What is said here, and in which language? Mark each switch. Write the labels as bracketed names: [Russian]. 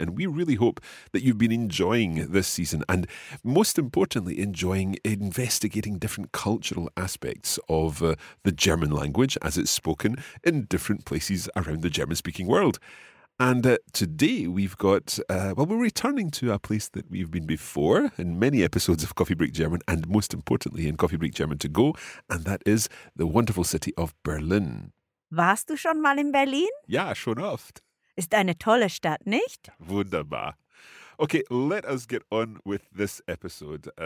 [English] And we really hope that you've been enjoying this season. And most importantly, enjoying investigating different cultural aspects of the German language as it's spoken in different places around the German-speaking world. And today we've got, we're returning to a place that we've been before in many episodes of Coffee Break German, and most importantly in Coffee Break German to go, and that is the wonderful city of Berlin. [German] Warst du schon mal in Berlin? Ja, schon oft. Ist eine tolle Stadt, nicht? Wunderbar. [English] Okay, let us get on with this episode.